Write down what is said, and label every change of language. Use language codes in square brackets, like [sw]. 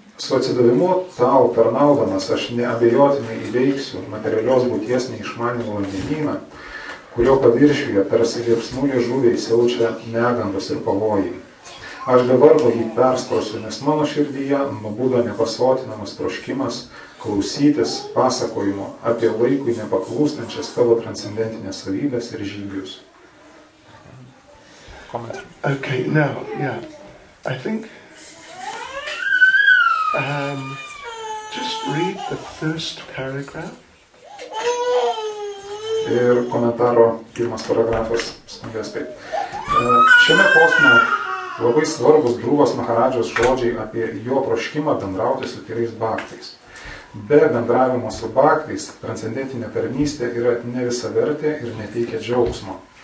[lt] Su atsidavimu tau tarnaudamas aš neabejotinai įveiksiu materialios būties neišmanimo vandenyną, kurio paviršiuje tarsi liepsnų liežuviai siaučia negandos ir pavojai. Aš dabar jį perskrosiu, nes mano širdyje nubūdo nepasotinamas troškimas klausytis pasakojimo apie laikui nepaklūstančias tavo transcendentinės savybės ir žygius. [en] Okay, now, yeah, I think, just read the first paragraph. [lt] Ir komentaro pirmas paragrafas skambės taip. Šiame posme labai svarbus Dhruvas Maharadžos žodžiai apie jo troškimą bendrauti su tyrais baktais. Be bendravimo su baktais, transcendentinė tarnystė yra ne visavertė ir neteikia džiaugsmo.